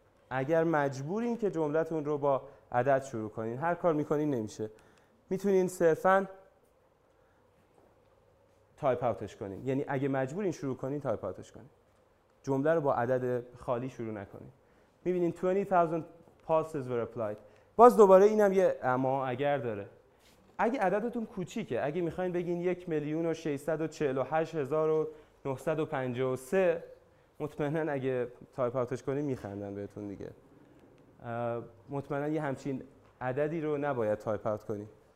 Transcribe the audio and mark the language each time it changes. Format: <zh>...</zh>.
<fa>اگر مجبورین که جملتون رو با عدد شروع کنین، هر کار میکنین نمیشه، میتونین صرفاً تایپ آوتش کنین. یعنی اگه مجبورین شروع کنین، تایپ آوتش کنین. جمله رو با عدد خالی شروع نکنین.</fa> <en>میبینین 20,000 passes were applied.</en> <fa>باز دوباره اینم یه اما اگر داره. اگه عددتون کوچیکه، اگه میخواین بگین 1,648,953، مطمئنن اگه تایپ آوتش کنین میخندن بهتون دیگه. مطمئنن یه همچین عددی رو نباید تایپ آوت کنی.</fa>